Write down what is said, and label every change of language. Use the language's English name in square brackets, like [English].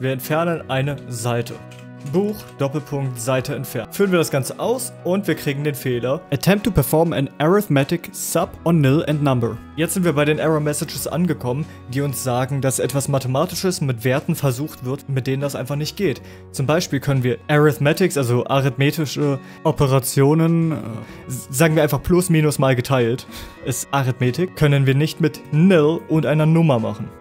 [German] Wir entfernen eine Seite. Buch, Doppelpunkt, Seite entfernen. Führen wir das Ganze aus und wir kriegen den Fehler. [English] Attempt to perform an arithmetic sub on nil and number. [German] Jetzt sind wir bei den Error Messages angekommen, die uns sagen, dass etwas Mathematisches mit Werten versucht wird, mit denen das einfach nicht geht. Zum Beispiel können wir Arithmetics, also arithmetische Operationen, sagen wir einfach plus, minus, mal geteilt, ist Arithmetik, können wir nicht mit nil und einer Nummer machen.